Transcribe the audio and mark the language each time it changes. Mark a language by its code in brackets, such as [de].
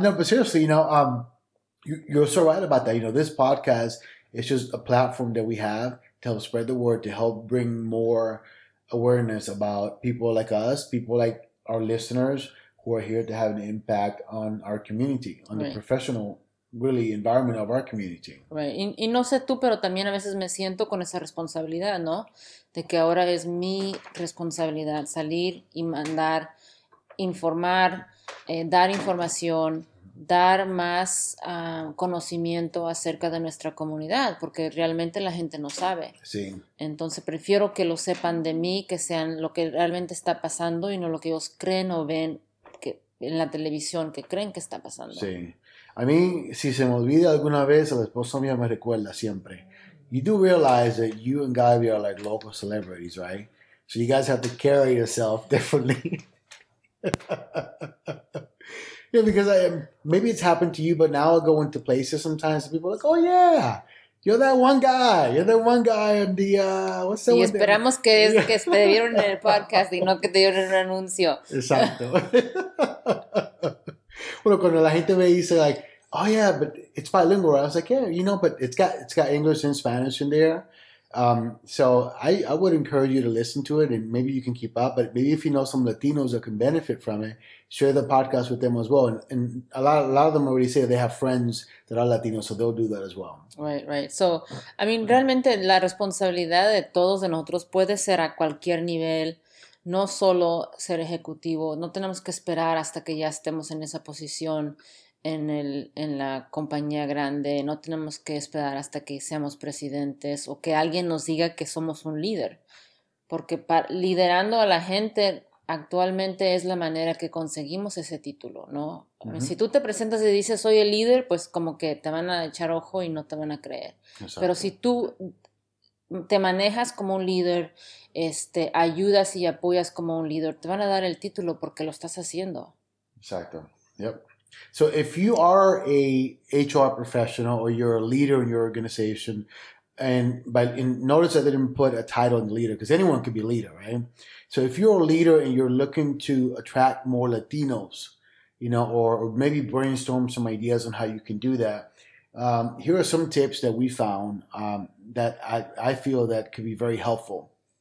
[en] No, but seriously, you know, you're so right about that. You know, this podcast is just a platform that we have to help spread the word, to help bring more awareness about people like us, people like our listeners, who are here to have an impact on our community, on the professional, really, environment of our community. Right. [es] Y no sé tú, pero también a veces me siento con esa responsabilidad, ¿no? De que ahora es mi responsabilidad salir y mandar, informar, dar información, dar más conocimiento acerca de nuestra comunidad, porque realmente la gente no sabe. Sí. Entonces prefiero que lo sepan de mí, que sean lo que realmente está pasando y no lo que ellos creen o ven en la televisión que creen que está pasando. Sí. A mí, si se me olvida alguna vez, la esposa mía me recuerda siempre. [en] You do realize that you and Gabby are like local celebrities, right? So you guys have to carry yourself differently. Yeah, because maybe it's happened to you, but now I go into places sometimes and people are like, oh yeah, You're that one guy on the, what's that one? [es] Y esperamos que es que te vieron en el podcast y no que te dieron un anuncio. Exacto. Bueno, cuando la gente me dice, [en] like, oh yeah, but it's bilingual, I was like, yeah, you know, but it's got English and Spanish in there. So I would encourage you to listen to it and maybe you can keep up, but maybe if you know some Latinos that can benefit from it, share the podcast with them as well. And a lot of them already say they have friends that are Latinos, so they'll do that as well. Right, right. So, I mean, [es] realmente la responsabilidad de todos de nosotros puede ser a cualquier nivel, no solo ser ejecutivo. No tenemos que esperar hasta que ya estemos en esa posición en la compañía grande, no tenemos que esperar hasta que seamos presidentes o que alguien nos diga que somos un líder, porque liderando a la gente actualmente es la manera que conseguimos ese título, ¿no? Uh-huh. Si tú te presentas y dices soy el líder, pues como que te van a echar ojo y no te van a creer. Exacto. Pero si tú te manejas como un líder, ayudas y apoyas como un líder, te van a dar el título porque lo estás haciendo. Exacto. Yep. [en] So if you are a HR professional or you're a leader in your organization, and notice I didn't put a title in leader because anyone could be a leader, right? So if you're a leader and you're looking to attract more Latinos, you know, or maybe brainstorm some ideas on how you can do that, here are some tips that we found that I feel that could be very helpful.